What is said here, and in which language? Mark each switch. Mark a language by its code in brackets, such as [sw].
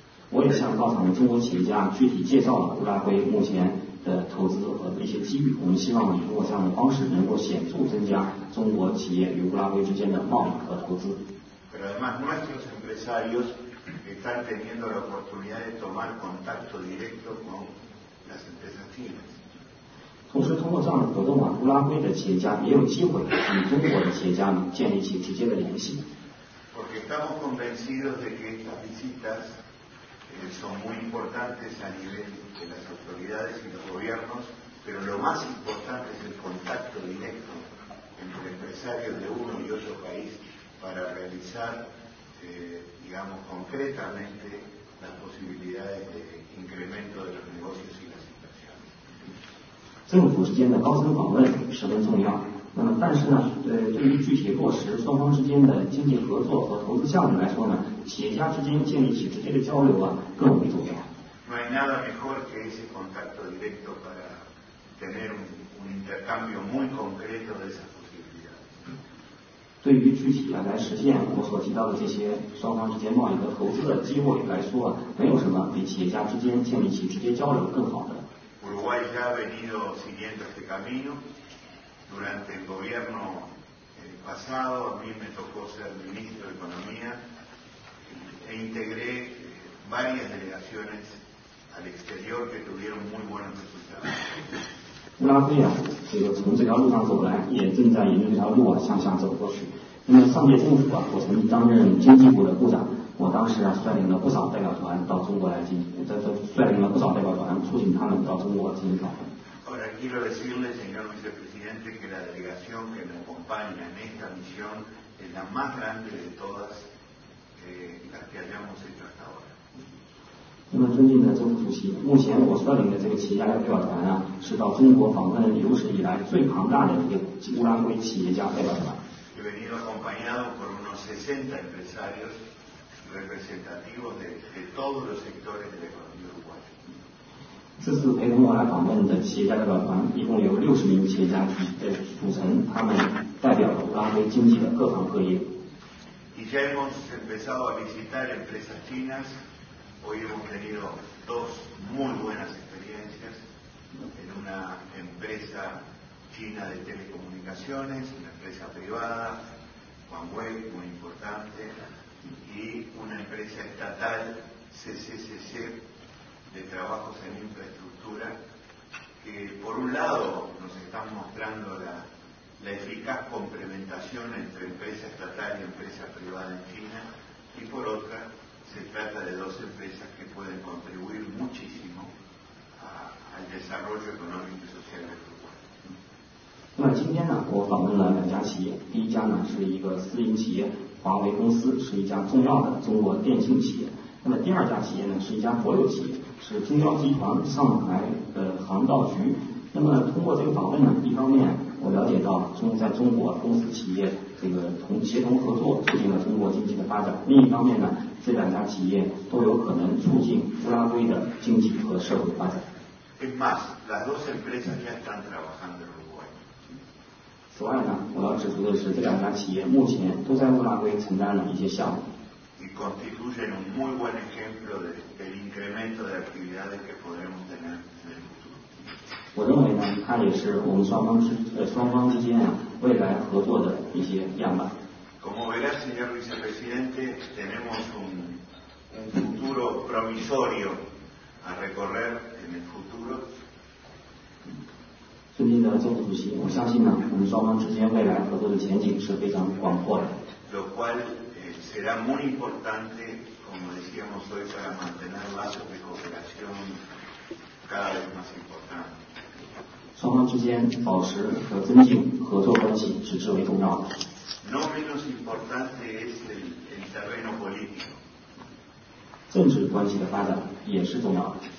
[zh] 我也向到场的中国企业家具体介绍了乌拉圭目前的投资和一些机遇。我们希望以通过这样的方式，能够显著增加中国企业与乌拉圭之间的贸易和投资。 [es] Pero además nuestros empresarios están teniendo la oportunidad de tomar contacto directo con las empresas chinas. [zh] 同时通过这样的活动啊，乌拉圭的企业家也有机会与中国的企业家们建立起直接的联系。 [es] Porque estamos convencidos de que estas visitas son muy importantes a nivel de las autoridades y los gobiernos, pero lo más importante es el contacto directo entre empresarios de uno y otro país. Para realizar, digamos, concretamente las posibilidades de incremento de los negocios y las inversiones. [zh] 政府之间的高层访问十分重要。那么，但是呢，对于具体落实双方之间的经济合作和投资项目来说呢，企业家之间建立起直接的交流啊，更为重要。 [es] No hay nada mejor que ese contacto directo para tener un intercambio muy concreto de esas. [zh] 对于具体啊来实现我所提到的这些双方之间贸易和投资的机会来说啊，没有什么比企业家之间建立起直接交流更好的。 [es] Uruguay ya ha venido siguiendo este camino durante el gobierno pasado. A mí me tocó ser ministro de economía e integré varias delegaciones al exterior que tuvieron muy buenos resultados. [zh] 乌拉圭啊，这个从这条路上走来，也正在沿着这条路啊向下走过去。那么上届政府啊，我曾经担任经济部的部长，我当时啊率领了不少代表团到中国来进行，率领了不少代表团促请他们到中国进行访问。 [es] Ahora quiero decirle, señor vicepresidente, que la delegación que me acompaña en esta misión es la más grande de todas las que hayamos hecho hasta ahora. [zh] 那么尊敬的政府主席，目前我率领的这个企业家代表团啊，是到中国访问有史以来最庞大的一个乌拉圭企业家代表团。 [es] He venido acompañado por unos 60 empresarios representativos de todos los sectores de la economía uruguaya. [zh] 这次陪同我来访问的企业家代表团一共有60名企业家组成，他们代表了乌拉圭经济的各行各业。 [es] Y ya hemos empezado a visitar empresas chinas. Hoy hemos tenido dos muy buenas experiencias en una empresa china de telecomunicaciones, una empresa privada, Huawei, muy importante, y una empresa estatal, CCCC, de trabajos en infraestructura, que por un lado nos están mostrando la eficaz complementación entre empresa estatal y empresa privada en China, y por otra,Se trata de dos empresas que pueden contribuir muchísimo al desarrollo económico y social de Uruguay. [zh] 那今天呢，我访问了两家企业。第一家呢是一个私营企业，华为公司，是一家重要的中国电信企业。那么第二家企业呢是一家国有企业，是中交集团上海航道局。那么通过这个访问呢，一方面我了解到在中国公司企业这个协同合作，促进了中国经济的发展。另一方面呢。这两家企业都有可能促进乌拉圭的经济和社会发展。 [es] Es más, las dos empresas ya están trabajando en Uruguay. [zh] 此外呢，我要指出的是，这两家企业目前都在乌拉圭承担了一些项目。 [es] Y constituyen un muy buen ejemplo del incremento de actividades que podremos tener en el futuro. [zh] 我认为呢，它也是我们双方之间啊未来合作的一些样板。 [es] Como verás, señor vicepresidente, tenemos un futuro promisorio a recorrer en el futuro. [zh] 尊敬的政府主席，我相信呢，我们双方之间未来合作的前景是非常广阔的。 [es] Lo cual será muy importante como decíamos hoy, para mantener lazos de cooperación cada vez más importantes. [zh] 双方之间保持和增进合作关系，是至为重要的。 [es] No menos importante es el terreno político. [zh] 政治关系的发展也是重要的。